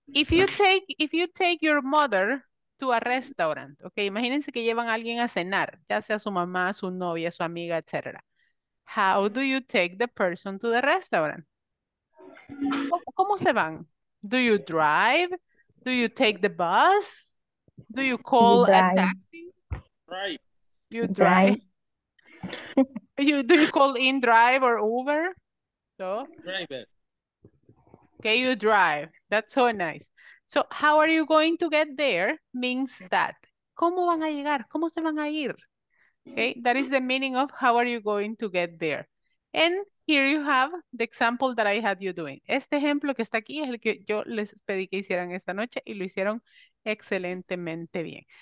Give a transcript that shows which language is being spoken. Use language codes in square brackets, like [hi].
[en] If you take your mother to a restaurant, okay? [es] Imagínense que llevan a alguien a cenar, ya sea su mamá, su novia, su amiga, etc. [en] How do you take the person to the restaurant? [es] ¿Cómo se van? [en] Do you drive? Do you take the bus? Do you call a taxi? Drive. You drive. Do you call in drive or Uber? So? Drive it. Okay, you drive. That's so nice. So, how are you going to get there means that. [es] ¿Cómo van a llegar? ¿Cómo se van a ir? [en] Okay, that is the meaning of how are you going to get there. And here you have the example that I had you doing. [es] Este ejemplo que está aquí es el que yo les pedí que hicieran esta noche y lo hicieron excelentemente bien.